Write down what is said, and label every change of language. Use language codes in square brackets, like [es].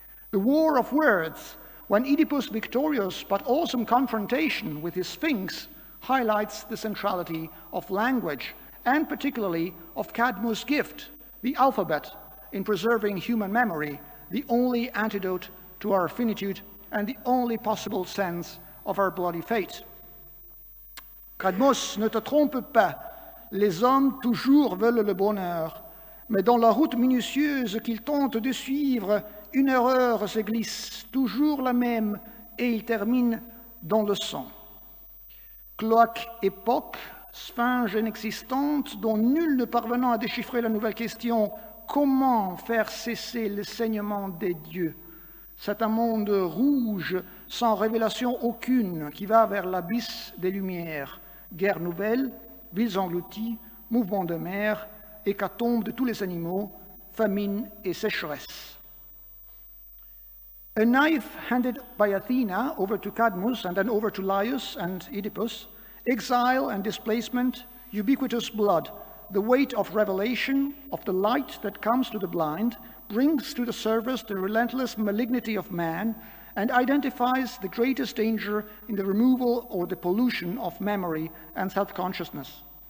[en] the war of words, when Oedipus' victorious but awesome confrontation with his Sphinx highlights the centrality of language, and particularly of Cadmus' gift, the alphabet, in preserving human memory, the only antidote to our finitude and the only possible sense of our bloody fate. [fr] Cadmus, ne te trompe pas, les hommes toujours veulent le bonheur, mais dans la route minutieuse qu'ils tentent de suivre, une erreur se glisse, toujours la même, et il termine dans le sang. Cloaque époque, sphinge inexistante, dont nul ne parvenant à déchiffrer la nouvelle question, comment faire cesser le saignement des dieux? C'est un monde rouge, sans révélation aucune, qui va vers l'abysse des lumières. Guerre nouvelle, villes englouties, mouvement de mer, hécatombe de tous les animaux, famine et sécheresse. [en] A knife handed by Athena over to Cadmus and then over to Laios and Oedipus, exile and displacement, ubiquitous blood, the weight of revelation, of the light that comes to the blind, brings to the surface the relentless malignity of man and identifies the greatest danger in the removal or the pollution of memory and self-consciousness.